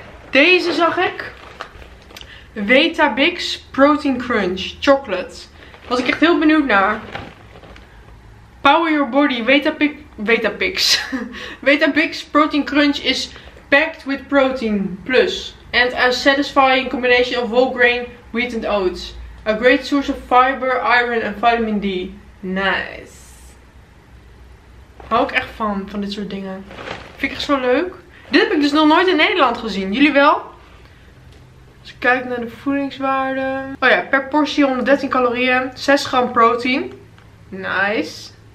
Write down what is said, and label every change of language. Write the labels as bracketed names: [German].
[Dutch] Deze zag ik. Vetabix Protein Crunch Chocolate. Was ik echt heel benieuwd naar. [English] Power Your Body Vetabix. Vetabix Protein Crunch is packed with protein plus. And a satisfying combination of whole grain, wheat and oats. A great source of fiber, iron and vitamin D. Nice. [Dutch] Hou ik echt van dit soort dingen. Vind ik echt zo leuk. Dit heb ik dus nog nooit in Nederland gezien. Jullie wel? Als ik kijk naar de voedingswaarde. Oh ja, per portie 113 calorieën. 6 gram protein. Nice.